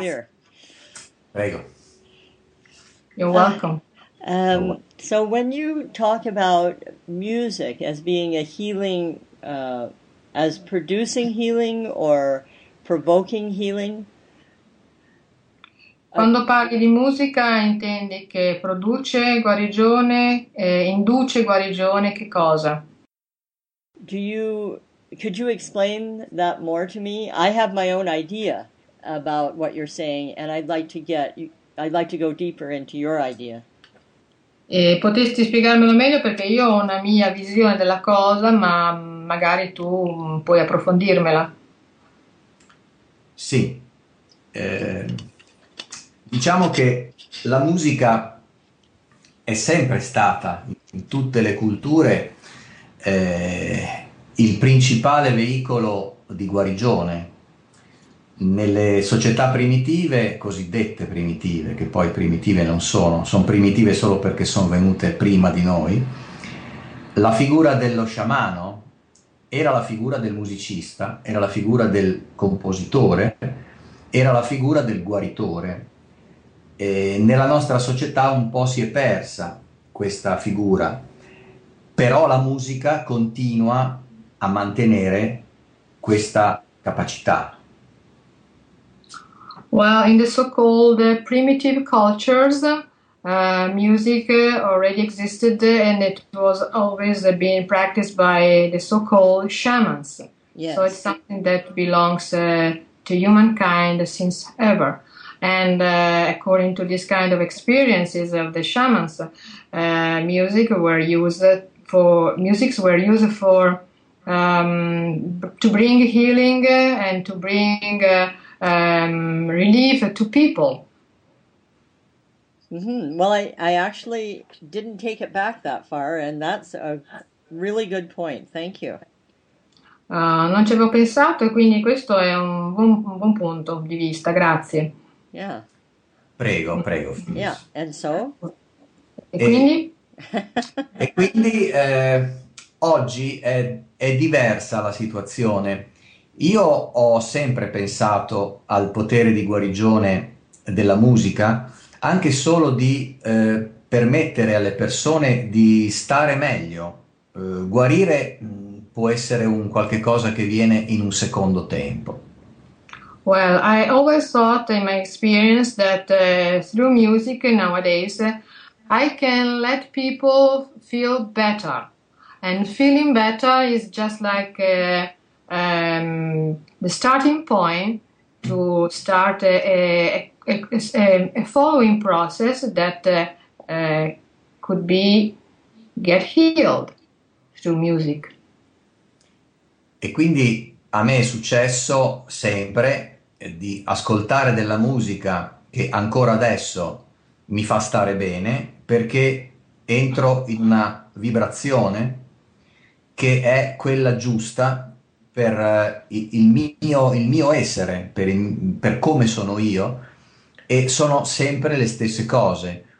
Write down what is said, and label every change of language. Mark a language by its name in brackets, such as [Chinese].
[English] clear. [Italian] Prego. [English] You're welcome. So when you talk about music as being a healing, as producing healing or provoking healing, [Italian] Quando parli di musica intendi che produce guarigione, induce guarigione, che cosa? [English] Could you explain that more to me? I have my own idea about what you're saying, and I'd like to go deeper into your idea. [Italian] E potresti spiegarmelo meglio perché io ho una mia visione della cosa, ma magari tu puoi approfondirmela. Sì, diciamo che la musica è sempre stata in tutte le culture il principale veicolo di guarigione. Nelle società primitive, cosiddette primitive, che poi primitive non sono, sono primitive solo perché sono venute prima di noi, la figura dello sciamano era la figura del musicista, era la figura del compositore, era la figura del guaritore. E nella nostra società un po' si è persa questa figura, però la musica continua a mantenere questa capacità. [English] Well, in the so-called primitive cultures, music already existed and it was always being practiced by the so-called shamans. So it's Yes. something that belongs to humankind since ever. And according to this kind of experiences of the shamans, musics were used for to bring healing and to bring relief to people. Well, I actually didn't take it back that far, and that's a really good point. Thank you. [Italian] Non ci avevo pensato, e quindi questo è un buon punto di vista. Grazie. [English] Yeah. [Italian] Prego, prego, Phyllis. [English] Yeah, and so? [Italian] E Quindi? quindi oggi è diversa la situazione. Io ho sempre pensato al potere di guarigione della musica, anche solo di permettere alle persone di stare meglio, Guarire può essere un qualche cosa che viene in un secondo tempo. [English] Well, I always thought in my experience that through music nowadays I can let people feel better. And feeling better is just like the starting point to start a following process that could be get healed through music. [Italian] E quindi a me è successo sempre di ascoltare della musica che ancora adesso mi fa stare bene perché entro in una vibrazione che è quella giusta per il mio essere, per come sono io e sono sempre le stesse cose.